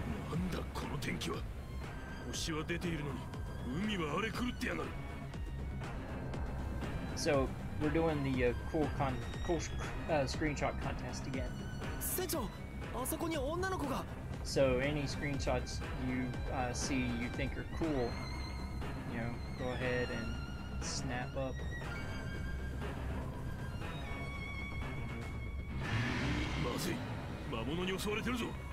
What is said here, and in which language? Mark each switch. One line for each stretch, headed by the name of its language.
Japanese: なんだこの天気は。星は出ているのに、海は荒れ狂ってやがる。
English: So, we're doing the screenshot contest again.
Japanese: 船長、あそこに女の子が。
English: So, any screenshots you see you think are cool, you know, go ahead and snap up.
Japanese: まずい、魔物に襲われてるぞ。